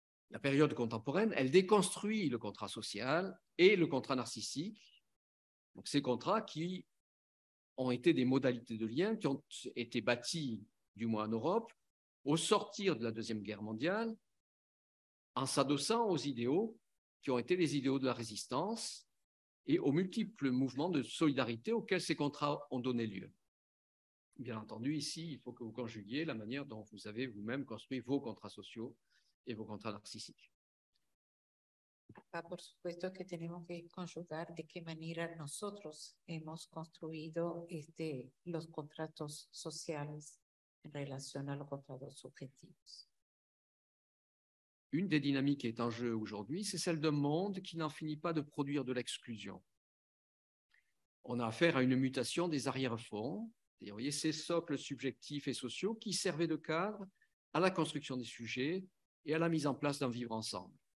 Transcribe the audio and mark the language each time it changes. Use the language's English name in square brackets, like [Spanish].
[French] La période contemporaine, elle déconstruit le contrat social et le contrat narcissique, donc ces contrats qui ont été des modalités de lien, qui ont été bâties, du moins en Europe, au sortir de la Deuxième Guerre mondiale, en s'adossant aux idéaux qui ont été les idéaux de la résistance et aux multiples mouvements de solidarité auxquels ces contrats ont donné lieu. Bien entendu, ici, il faut que vous conjuguiez la manière dont vous avez vous-même construit vos contrats sociaux et vos contrats narcissiques. [Spanish] Acá, por supuesto, que tenemos que conjugar de qué manera nosotros hemos construido los contratos sociales en relación a los contratos subjetivos. [French] Une des dynamiques qui est en jeu aujourd'hui, c'est celle d'un monde qui n'en finit pas de produire de l'exclusion. On a affaire à une mutation des arrière-fonds, vous voyez, ces socles subjectifs et sociaux qui servaient de cadre à la construction des sujets et à la mise en place d'un vivre ensemble.